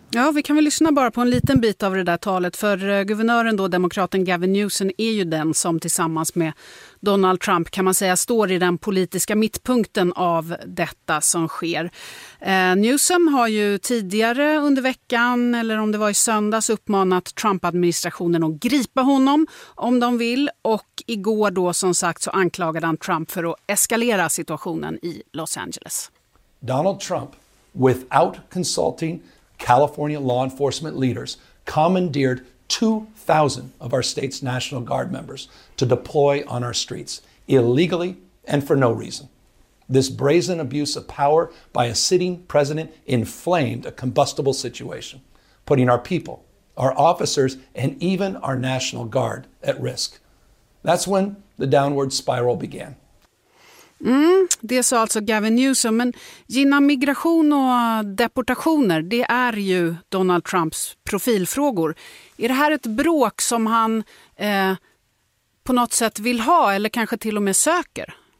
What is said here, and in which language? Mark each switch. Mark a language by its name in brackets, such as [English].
[Swedish] Ja, vi kan väl lyssna bara på en liten bit av det där talet, för guvernören då, demokraten Gavin Newsom, är ju den som tillsammans med Donald Trump, kan man säga, står i den politiska mittpunkten av detta som sker. Newsom har ju tidigare under veckan, eller om det var i söndags, uppmanat Trump-administrationen att gripa honom om de vill. Och igår då, som sagt, så anklagade han Trump för att eskalera situationen i Los Angeles. [English] Donald Trump, without consulting California law enforcement leaders, commandeered 2,000 of our state's National Guard members to deploy on our streets, illegally and for no reason. This brazen abuse of power by a sitting president inflamed a combustible situation, putting our people, our officers, and even our National Guard at risk. That's when the downward spiral began. [Swedish] Det sa alltså Gavin Newsom, men gina migration och deportationer, det är ju Donald Trumps profilfrågor. Är det här ett bråk som han på något sätt vill ha, eller kanske till och med söker?